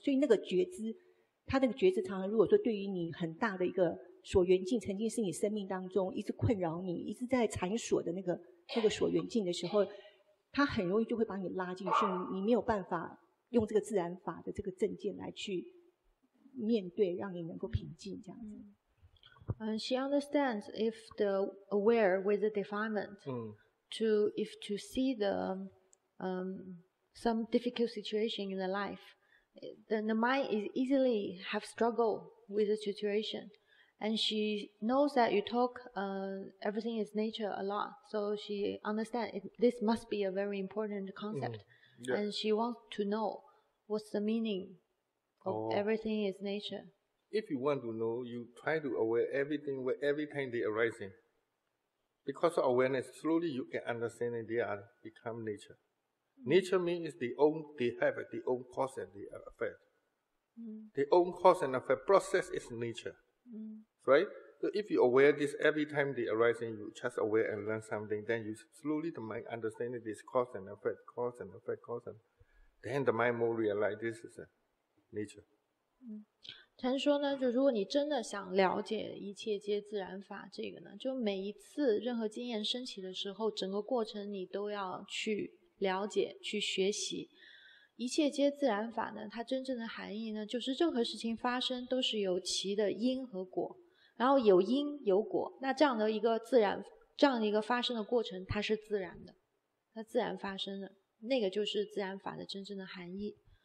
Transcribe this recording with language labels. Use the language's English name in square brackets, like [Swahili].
[Chinese] 所以那个觉知，它那个觉知常常如果说对于你很大的一个所缘境，曾经是你生命当中一直困扰你、一直在缠锁的那个所缘境的时候，它很容易就会把你拉进去，你没有办法用这个自然法的这个正见来去。面对让你能够平静这样子。 [English] She understands if the aware with the defilement to see the some difficult situation in the life, then the mind is easily have struggle with the situation, and she knows that you talk everything is nature a lot, so she understands this must be a very important concept, and she wants to know what's the meaning. Everything is nature. If you want to know, you try to aware everything where every time they arising. Because of awareness, slowly you can understand and they are become nature. Nature means they have their own cause and their effect. Their own cause and effect process is nature. Right? So if you aware this every time they arising, you just aware and learn something, then you slowly the mind understanding this cause and effect, cause and effect, cause and effect. Then the mind more realize this is a, [Chinese] 禅说呢，就如果你真的想了解一切皆自然法，这个呢，就每一次任何经验升起的时候，整个过程你都要去了解、去学习。一切皆自然法呢，它真正的含义呢，就是任何事情发生都是有其的因和果，然后有因有果，那这样的一个自然，这样的一个发生的过程，它是自然的，它自然发生的，那个就是自然法的真正的含义。